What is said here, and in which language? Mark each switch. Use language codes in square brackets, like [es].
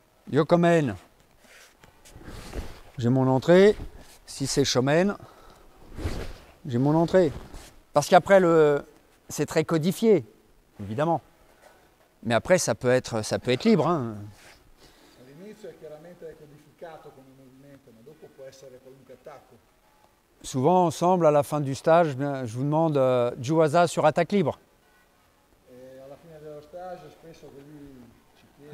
[ja] Yokomen. [fr] J'ai mon entrée, si c'est Shomen, j'ai mon entrée. Parce qu'après, c'est très codifié, évidemment. Mais après, ça peut être libre. Hein. [it] All'inizio è chiaramente codificato come movimento, ma dopo può essere qualunque attacco. [fr] Souvent, ensemble, à la fin du stage, je vous demande Juwaza sur attaque libre. Et à la fin [it] dello stage, spesso così ci chiede.